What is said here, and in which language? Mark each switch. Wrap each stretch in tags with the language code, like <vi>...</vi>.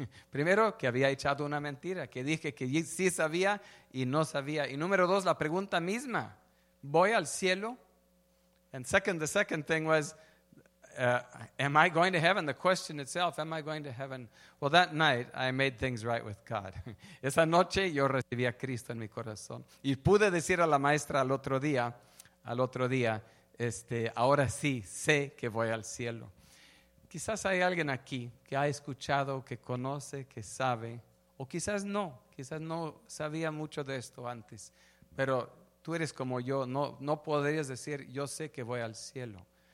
<es>Primero, que había echado una mentira, que dije que sí sabía y no sabía. Y número dos, la pregunta misma, ¿voy al cielo?</es> <en>And second, the second thing was, am I going to heaven? The question itself, am I going to heaven? Well, that night, I made things right with God.</en> <es>Esa noche, yo recibí a Cristo en mi corazón. Y pude decir a la maestra al otro día, ahora sí, sé que voy al cielo. Quizás hay alguien aquí que ha escuchado, que conoce, que sabe, o quizás no sabía mucho de esto antes, pero tú eres como yo, no podrías decir, yo sé que voy al cielo.</es>